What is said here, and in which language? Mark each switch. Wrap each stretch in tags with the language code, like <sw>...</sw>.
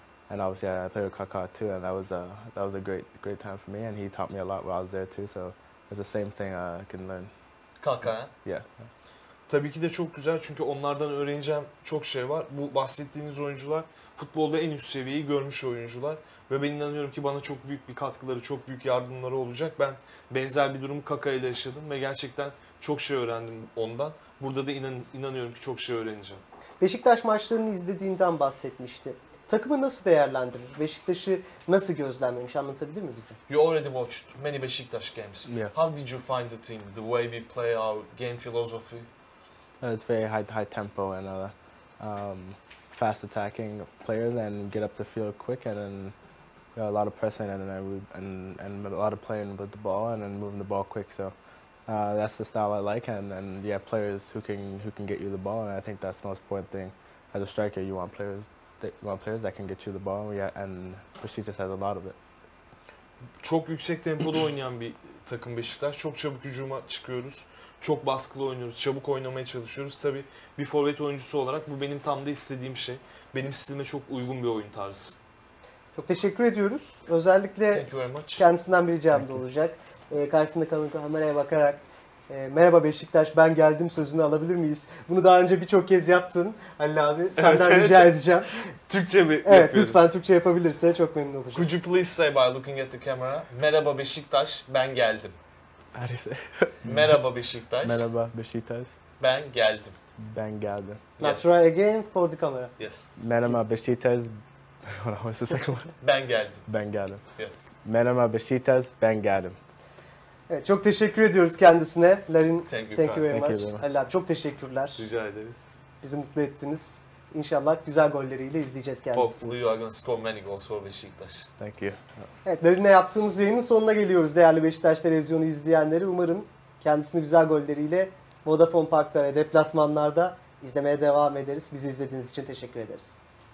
<en>And obviously, I played with Kaká too, and that was a great time for me. And he taught me a lot while I was there too. So it's the same thing I can learn. Kaká. Yeah.</en> <tr>Tabii ki de çok güzel çünkü onlardan öğreneceğim çok şey var. Bu bahsettiğiniz oyuncular futbolda en üst seviyeyi görmüş oyuncular ve ben inanıyorum ki bana çok büyük bir katkıları, çok büyük yardımları olacak. Ben benzer bir durumu Kaká ile yaşadım ve gerçekten çok şey öğrendim ondan. Burada da inanıyorum ki çok şey öğreneceğim. Beşiktaş maçlarını izlediğinden bahsetmişti. Takımı nasıl değerlendirir? Beşiktaş'ı nasıl gözlemlemiş? Anlatabilir mi bize?</tr> <en>You already watched many Beşiktaş games. Yeah. How did you find the team, the way we play, our game philosophy? It's very high tempo and fast attacking players and get up the field quick and then we got a lot of pressing and a lot of playing with the ball and then moving the ball quick. So that's the style I like, and yeah, players who can get you the ball, and I think that's the most important thing. As a striker, you want players that can get you the ball, and Beşiktaş has a lot of it.</en> <tr>Çok yüksek tempoda oynayan bir takım Beşiktaş. Çok çabuk hücuma çıkıyoruz, çok baskılı oynuyoruz, çabuk oynamaya çalışıyoruz. Tabii bir forvet oyuncusu olarak bu benim tam da istediğim şey. Benim stilime çok uygun bir oyun tarzı. Çok teşekkür ediyoruz. Özellikle kendisinden bir ricam da olacak. Karşısında kalan kameraya bakarak merhaba Beşiktaş ben geldim sözünü alabilir miyiz? Bunu daha önce birçok kez yaptın Halil abi. Senden rica edeceğim. Türkçe mi yapıyorsun? Evet lütfen Türkçe yapabilirse çok memnun olacağım.</tr> <en>Could you please say by looking at the camera</en> <tr>merhaba Beşiktaş ben geldim. Merhaba Beşiktaş. Merhaba Beşiktaş. Ben geldim. Ben geldim.</tr> <en>Now yes. Try again for the camera. Yes.</en> <tr>Merhaba Beşiktaş.</tr> <en>What was the second one?</en> <tr>Ben geldim. Ben geldim.</tr> <en>Yes.</en> <tr>Merhaba Beşiktaş ben geldim. Evet, çok teşekkür ediyoruz kendisine. Larin,</tr> <en>thank you very much.</en> <tr>Halilab, çok teşekkürler. Rica ederiz. Bizi mutlu ettiniz. İnşallah güzel golleriyle izleyeceğiz kendisini.</tr> <en>Hopefully you are going to score many goals for Beşiktaş. Thank you.</en> <tr>Evet, Larin'le yaptığımız yayının sonuna geliyoruz değerli Beşiktaş televizyonu izleyenleri. Umarım kendisini güzel golleriyle Vodafone Park'ta ve deplasmanlarda izlemeye devam ederiz. Bizi izlediğiniz için teşekkür ederiz.</tr>